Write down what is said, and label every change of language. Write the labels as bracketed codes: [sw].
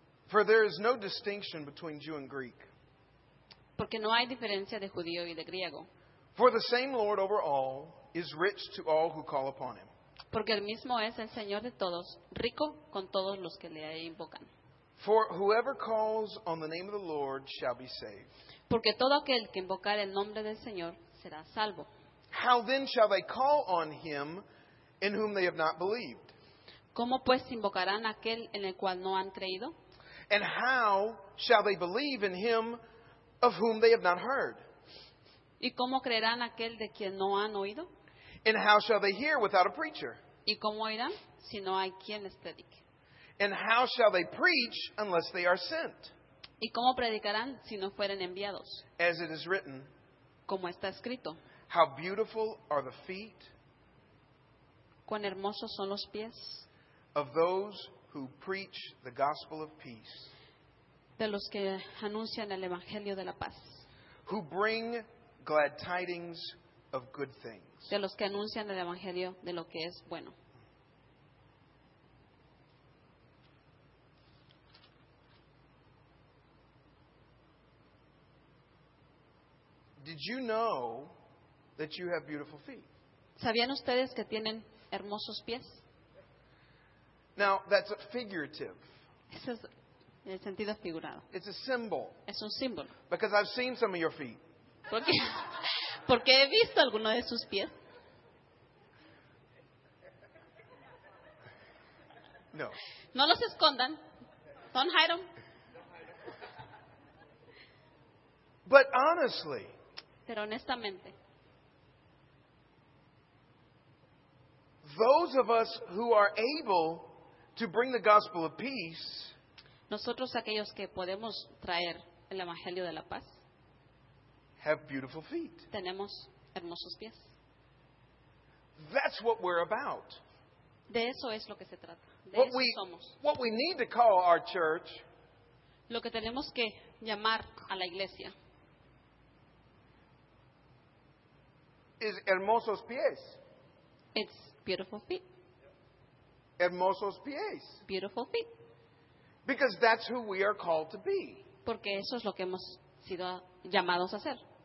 [en] For there is no distinction between Jew and Greek. [es] Porque no hay diferencia de judío y de griego. [en] For the same Lord over all is rich to all who call upon him. [es] Porque el mismo es el Señor de todos, rico con todos los que le invocan. [en] For whoever calls on the name of the Lord shall be saved. [es] Porque todo aquel que invocar el nombre del Señor será salvo. [en] How then shall they call on him in whom they have not believed? [es] ¿Cómo pues invocarán aquel en el cual no han creído? [en] And how shall they believe in him of whom they have not heard? [es] ¿Y cómo creerán aquel de quien no han oído? [en] And how shall they hear without a preacher? [es] ¿Y cómo oirán si no hay quien les predique? [en] And how shall they preach unless they are sent? [es] ¿Y cómo predicarán si no fueren enviados? [en] As it is written. [es] Como está escrito. [en] How beautiful are the feet, [es] cuán hermosos son los pies, [en] of those who preach the gospel of peace, [es] de los que anuncian el evangelio de la paz, [en] who bring glad tidings of good things, [es] de los que anuncian el evangelio de lo que es bueno. [en] Did you know that you have beautiful feet? [es] ¿Sabían ustedes que tienen hermosos pies? [en] Now, that's a figurative. [es] Eso es en el sentido figurado. [en] It's a symbol. [es] Es un símbolo. [en] Because I've seen some of your feet. [es] Porque he visto alguno de sus pies. [en] No. [es] No los escondan. [en] Don't hide them. But honestly. [es] Pero honestamente. [en] Those of us who are able to bring the gospel of peace, [es] nosotros aquellos que podemos traer el evangelio de la paz, [en] have beautiful feet. [es] Tenemos hermosos pies. [en] That's what we're about. [es] De eso es lo que se trata. De what eso [en] we, [es] somos. [en] What we need to call our church, [es] lo que tenemos que llamar a la iglesia, is hermosos pies. [en] It's beautiful feet. [es] Hermosos pies. [en] Beautiful feet. Because that's who we are called to be. [es] Porque eso es lo que hemos sido llamados a ser.